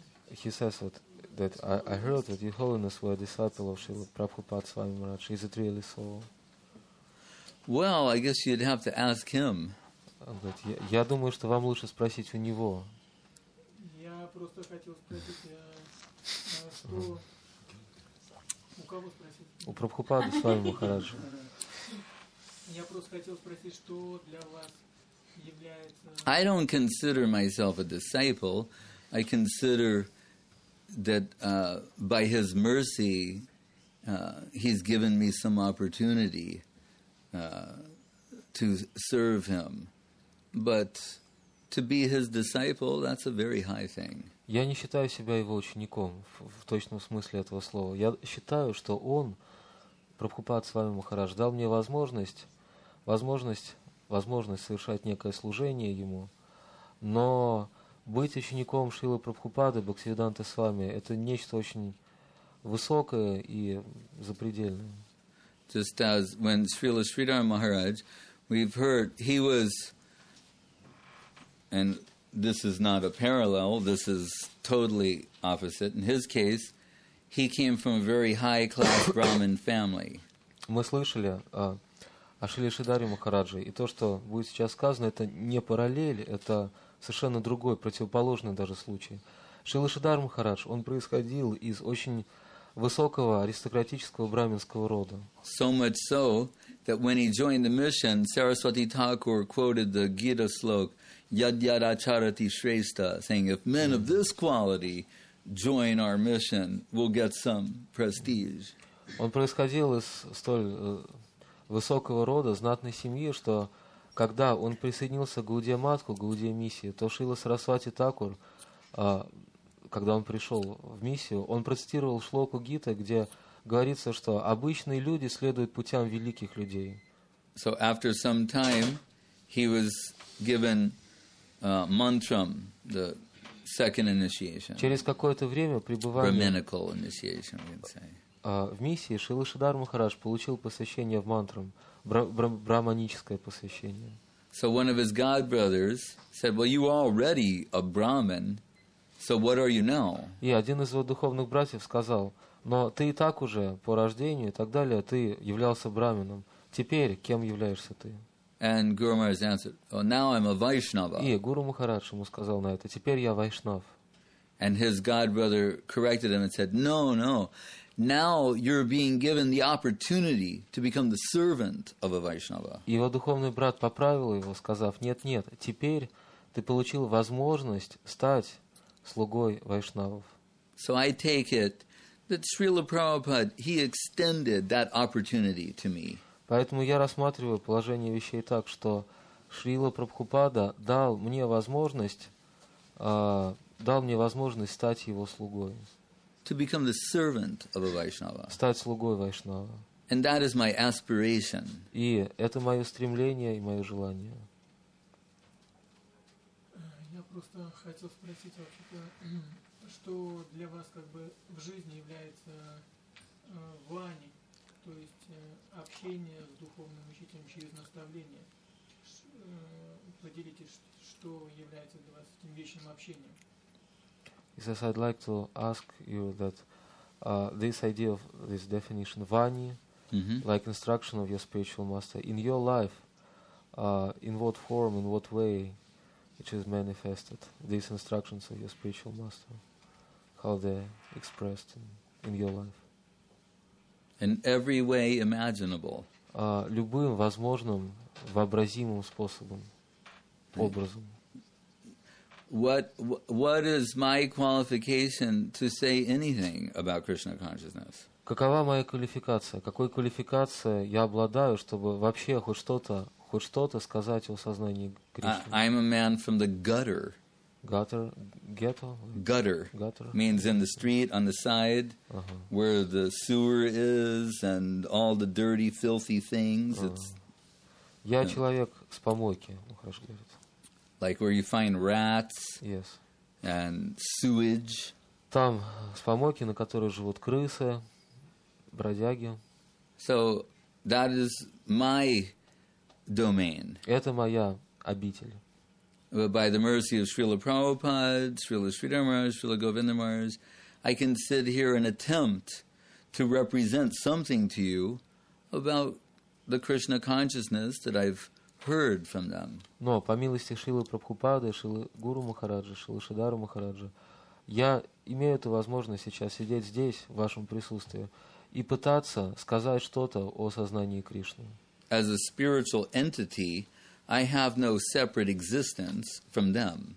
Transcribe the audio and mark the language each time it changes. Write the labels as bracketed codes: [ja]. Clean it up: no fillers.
[en] He says that I heard that Your Holiness were a disciple of Srila Prabhupada Swami Maharaj. Is it really so? Well, I guess you'd have to ask him. But [ru] я думаю, что вам лучше спросить у него. Я просто хотел спросить, у кого спросить? У Прабхупады Свами Махарадж. Я просто хотел спросить, что для вас является. [en] I don't consider myself a disciple. I consider that by His mercy, He's given me some opportunity to serve Him. But to be His disciple, that's a very high thing. [ru] Я не считаю себя Его учеником в точном смысле этого слова. Я считаю, что Он, Прабхупада Свами Махарадж, дал мне возможность совершать некое служение Ему, но быть учеником Шрилы Прабхупады, Бхактивиданты с вами, это нечто очень высокое и запредельное. [en] Just as when Srila Sridhar Maharaj, we've heard, he was, and this is not a parallel, this is totally opposite. In his case, he came from a very high class Brahmin family. [ru] Мы слышали о Шриле Шридхаре Махарадже, и то, что будет сейчас сказано, это не параллель, это совершенно другой, противоположный даже случай. Шрила Шридхар Махарадж, он происходил из очень высокого аристократического брахминского рода. [en] So much so, that when he joined the mission, Saraswati Thakur quoted the Gita slok, [sa] yad yad acharati shrestha, [en] saying, if men of this quality join our mission, we'll get some prestige. [ru] Он происходил из столь высокого рода, знатной семьи, что когда он присоединился к Гаудия Матху, Гаудия Миссии, то Шрила Сарасвати Такур, когда он пришел в миссию, он процитировал шлоку Гита, где говорится, что обычные люди следуют путям великих людей. [en] So after some time, he was given mantram, the second initiation. [ru] Через какое-то время пребывания [en] Brahminical initiation, [ru] в миссии Шрила Шридхар Махарадж получил посвящение в мантрам. Брахманическое посвящение. [en] So one of his god brothers said, "Well, you already a Brahmin, so what are you now?" [ru] И один из его духовных братьев сказал: "Но ты и так уже по рождению и так далее, ты являлся брахмином. Теперь кем являешься ты?" [en] And Guru Maharaj answered, "Well, now I'm a Vaishnava." [ru] И Гуру Махарадж ему сказал на это: "Теперь я вайшнав." [en] And his god brother corrected him and said, "No, no. Now you're being given the opportunity to become the servant of a Vaishnava." [ru] Его духовный брат поправил его, сказав: "Нет, нет, теперь ты получил возможность стать слугой вайшнавов." [en] So I take it that Srila Prabhupada, he extended that opportunity to me. [ru] Поэтому я рассматриваю положение вещей так, что Шрила Прабхупада дал мне возможность стать его слугой. [en] To become the servant of a Vaishnava. [ru] Стать слугой вайшнава. [en] And that is my aspiration. [ru] И это мое стремление и мое желание. Я просто хотел спросить вообще-то, что для вас как бы в жизни является вани, то есть общение с духовным учителем через наставление. Поделитесь, что является для вас этим вечным общением. [en] He says, I'd like to ask you that this idea of this definition, vani, like instruction of your spiritual master, in your life, in what form, in what way which is manifested, these instructions of your spiritual master, how they're expressed in your life. In every way imaginable. [ru] Любым возможным, вообразимым способом, образом. [en] What is my qualification to say anything about Krishna consciousness? [ru] Какова моя квалификация? Какой квалификацией я обладаю, чтобы вообще хоть что-то сказать о сознании Кришны? [en] I'm a man from the gutter. Gutter, ghetto? Gutter. Gutter means in the street, on the side, uh-huh. where the sewer is and all the dirty, filthy things. Uh-huh. [ru] Я человек с помойки, хорошо говорит. [en] Like where you find rats yes. and sewage. [ru] Там с помойки, на которой живут крысы, бродяги. [en] So that is my domain. [ru] Это моя обитель. [en] But by the mercy of Srila Prabhupada, Srila Sridhar Maharaj, Srila Govinda Maharaj, I can sit here and attempt to represent something to you about the Krishna consciousness that I've heard from them. [ru] Но по милости Шрилы Прабхупады, Шрилы Гуру Махараджа, Шрилы Шридхара Махараджа, я имею эту возможность сейчас сидеть здесь в вашем присутствии и пытаться сказать что-то о сознании Кришны. [en] As a spiritual entity, I have no separate existence from them.